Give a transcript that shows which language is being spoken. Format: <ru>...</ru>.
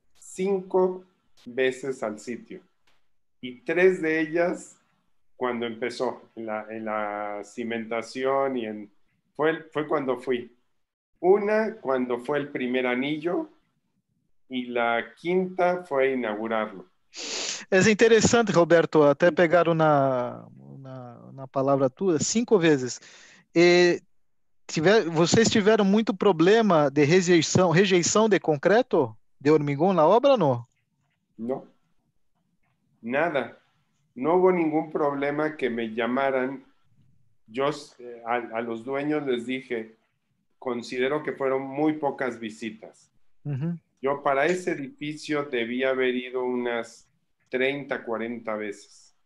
<es>5 veces al sitio. Y 3 de ellas cuando empezó en la cimentación y fue cuando fui. Una cuando fue el primer anillo y la quinta fue inaugurarlo.</es> <pt>Es interesante, Roberto, até pegar una palavra tua, 5 vezes. Vocês tiveram muito problema de rejeição de concreto, de hormigão na obra, não? Não. Nada.</pt> <es>No hubo ningún problema que me llamaran. Yo a los dueños les dije, considero que fueron muy pocas visitas. Uh-huh. Yo para ese edificio debía haber ido unas 30, 40 veces.</es>